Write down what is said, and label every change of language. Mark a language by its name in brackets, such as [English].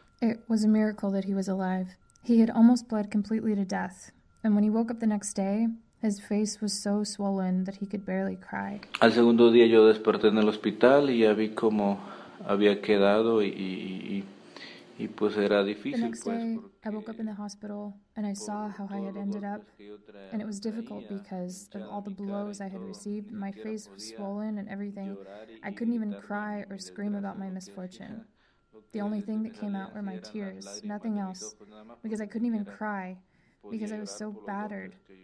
[English] It was a miracle that he was alive. He had almost bled completely to death. And when he woke up the next day, his face was so swollen that he could barely cry. [Spanish] Al segundo día yo desperté en el hospital y ya vi cómo había quedado y pues era difícil. [English] The next day, I woke up in the hospital, and I saw how I had ended up, and it was difficult because of all the blows I had received. My face was swollen and everything. I couldn't even cry or scream about my misfortune. The only thing that came out were my tears, nothing else, because I couldn't even cry, because I was so battered.